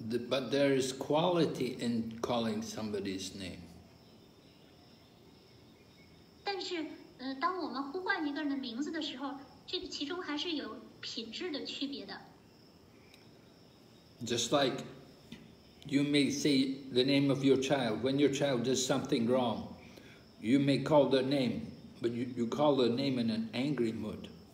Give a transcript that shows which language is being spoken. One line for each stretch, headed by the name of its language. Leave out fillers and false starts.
English: But there is quality in calling somebody's name.
Chinese: 但是，当我们呼唤一个人的名字的时候，这个其中还是有品质的区别的。
English: Just like you may say the name of your child when your child does something wrong, you may call their name, but you call their name in an angry mood.